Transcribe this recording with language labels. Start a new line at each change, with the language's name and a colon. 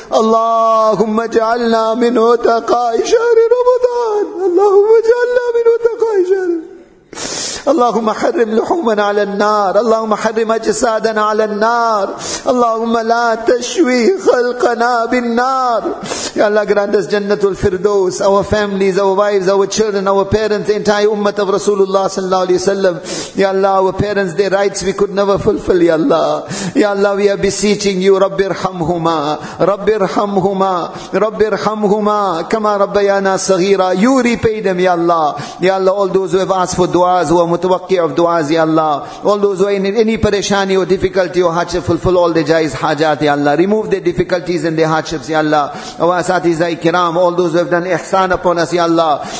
Arabic: اللهم اجعلنا من اتقى شهر رمضان. اللهم اجعلنا من اتقى شهر. اللهم حرم لحومنا على النار. اللهم حرم أجسادنا على النار. اللهم لا تشوي خلقنا بالنار.
English: يا الله, grant us جنة الفردوس. Our families, our wives, our children, our parents, the entire ummah of Rasulullah صلى الله عليه وسلم. يا الله, our parents, their rights we could never fulfill, يا الله.
Arabic: يا الله,
English: we are beseeching you,
Arabic: رب ارحمهما, رب ارحمهما, رب ارحمهما كما ربيانا صغيرا.
English: You repay them, يا الله. يا الله, all those who have asked for duas, who are mutawakki of duas, ya Allah. All those who are in any pareshani or difficulty or hardship, fulfill all their jais hajat, ya Allah. Remove their difficulties and their hardships, ya Allah. Our asatizai kiram, all those who have done ihsan upon us, ya Allah.